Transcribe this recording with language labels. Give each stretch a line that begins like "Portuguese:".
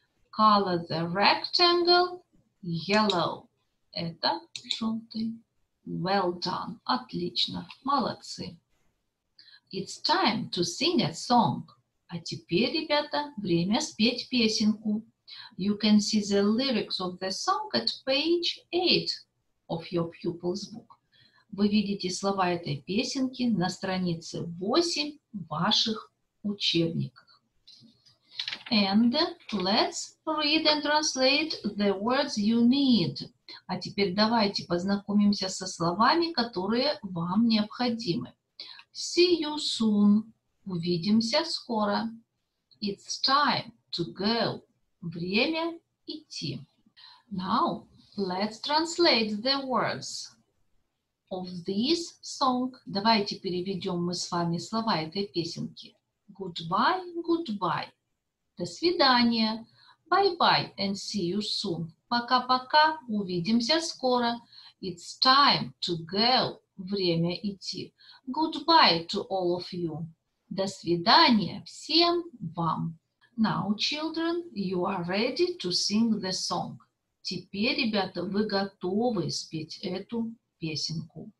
English: Color the rectangle yellow.
Russian: Это желтый.
English: Well done.
Russian: Отлично. Молодцы.
English: It's time to sing a song.
Russian: А теперь, ребята, время спеть песенку.
English: You can see the lyrics of the song at page 8 of your pupil's book.
Russian: Вы видите слова этой песенки на странице 8 ваших учебников.
English: And let's read and translate the words you need.
Russian: А теперь давайте познакомимся со словами, которые вам необходимы.
English: See you soon.
Russian: Увидимся скоро.
English: It's time to go.
Russian: Время идти.
English: Now let's translate the words of this song.
Russian: Давайте переведем мы с вами слова этой песенки.
English: Goodbye, goodbye.
Russian: До свидания.
English: Bye-bye and see you soon.
Russian: Пока-пока. Увидимся скоро.
English: It's time to go.
Russian: Время идти.
English: Goodbye to all of you.
Russian: До свидания всем вам.
English: Now, children, you are ready to sing the song.
Russian: Теперь, ребята, вы готовы спеть эту песенку.